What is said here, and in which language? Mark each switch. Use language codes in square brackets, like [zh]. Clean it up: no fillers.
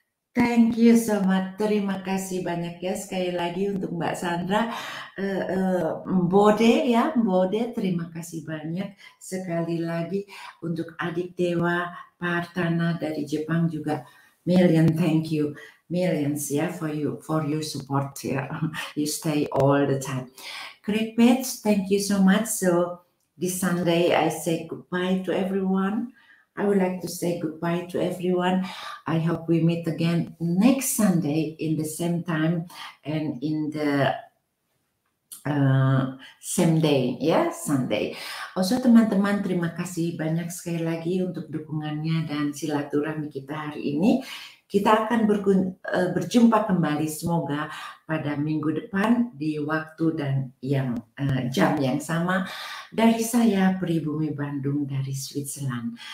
[en] Thank you so much. [id] Terima kasih banyak ya sekali lagi untuk Mbak Sandra. Mbode ya, Mbode, terima kasih banyak sekali lagi untuk adik Dewa Partana dari Jepang juga. [en] Million thank you, millions ya, for you, for your support here. You stay all the time. Craig Page, thank you so much. So this Sunday I say goodbye to everyone. I would like to say goodbye to everyone. I hope we meet again next Sunday in the same time and in the same day, ya, Sunday. [id] Also, teman-teman, terima kasih banyak sekali lagi untuk dukungannya dan silaturahmi kita hari ini. Kita akan berjumpa kembali, semoga pada minggu depan di waktu dan yang jam yang sama. Dari saya, Pribumi Bandung dari Switzerland.